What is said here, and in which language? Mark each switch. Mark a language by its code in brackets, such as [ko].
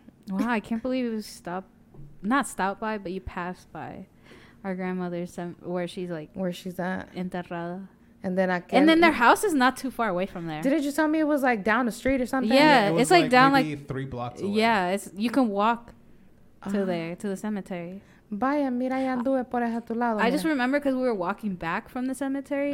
[en] Wow, I can't believe you not stopped by, but you passed by our grandmother's, where she's at. [es] Enterrada. [en] And then their house is not too far away from there. Didn't you tell me it was like down the street or something? Yeah, it's like down maybe like 3 blocks away. Yeah, you can walk to there, to the cemetery. [es] Vaya, mira, ya anduve por ese tu lado. [en] I just remember because we were walking back from the cemetery,